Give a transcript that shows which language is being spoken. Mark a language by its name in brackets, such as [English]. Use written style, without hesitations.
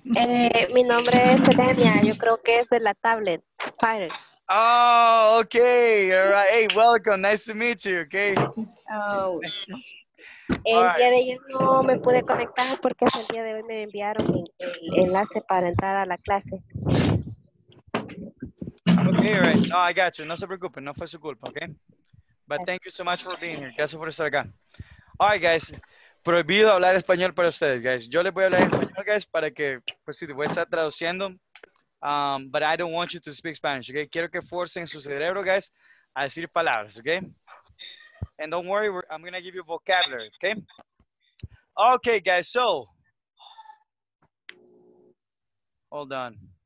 [Spanish] Mi nombre es Elenia. Yo creo que es de la tablet. Fire. [English] Oh, okay. All right. Hey, welcome. Nice to meet you, okay? Oh. [Spanish] El día de ayer no me pude conectar porque el día de hoy me enviaron el enlace para entrar a la clase. [English] Okay, all right. No, I got you. [Spanish] No se preocupe. No fue su culpa, [English] okay? But thank you so much for being here. [Spanish] Gracias por estar acá. [English] All right, guys. [Spanish] Prohibido hablar español para ustedes, guys. Yo les voy a hablar español, guys, para que, pues sí, voy a estar traduciendo. [English] But I don't want you to speak Spanish, okay? [Spanish] Quiero que forcen su cerebro, guys, a decir palabras, [English] okay? And don't worry, I'm going to give you vocabulary, okay? Okay, guys, so. Hold on.